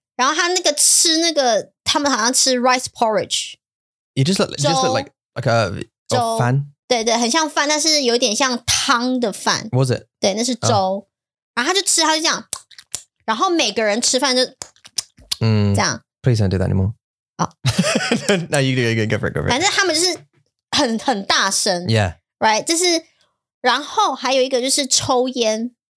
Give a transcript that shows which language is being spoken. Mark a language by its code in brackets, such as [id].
[zh] 然后他那个吃那个他们好像吃 [en] rice porridge You just look like a oh, fan [zh] 对对很像饭 但是有点像汤的饭 [en] Was it? [zh] 对那是粥 oh. 然后他就吃他就这样 然后每个人吃饭就 这样 [en] Please don't do that anymore No, you can go for it, go for it. [zh] 反正他们就是很大声。 [en] Yeah. Right? [zh] 然后还有一个就是抽烟。